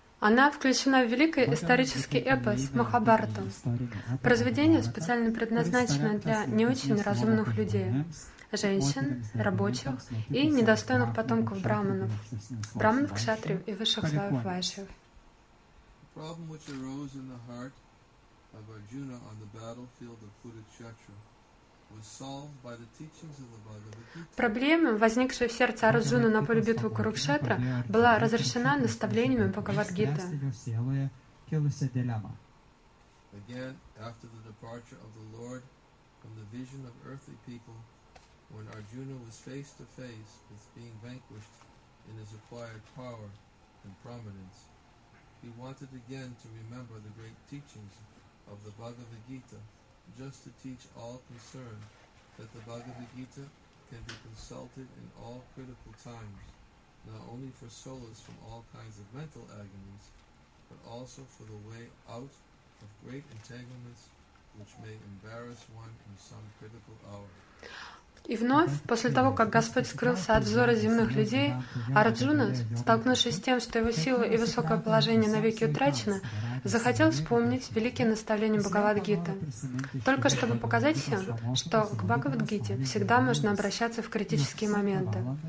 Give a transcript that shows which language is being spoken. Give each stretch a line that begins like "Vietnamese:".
Russian: Она включена в великий исторический эпос Махабхарата, произведение, специально предназначенное для не очень разумных людей, женщин, рабочих и недостойных потомков брахманов, брахманов, кшатриев и высших слоев вайшьев.
English: Problem which arose in the heart of Arjuna on the battlefield of Kurukshetra was solved by the teachings of the Bhagavad Gita.
Russian: Проблема, возникшая в сердце Арджуны на поле битвы Курукшетра, была разрешена наставлениями Бхагавад-гиты.
English: Again, after the departure of the Lord from the vision of earthly people when Arjuna was face to face with being vanquished in his acquired power and prominence. He wanted again to remember the great teachings of the Bhagavad Gita, just to teach all concerned that the Bhagavad Gita can be consulted in all critical times, not only for solace from all kinds of mental agonies, but also for the way out of great entanglements which may embarrass one in some critical hour.
Russian: И вновь, после того, как Господь скрылся от взора земных людей, Арджуна, столкнувшись с тем, что его сила и высокое положение навеки утрачены, захотел вспомнить великие наставления Бхагавад-гиты, только чтобы показать всем, что к Бхагавад-гите всегда можно обращаться в критические моменты.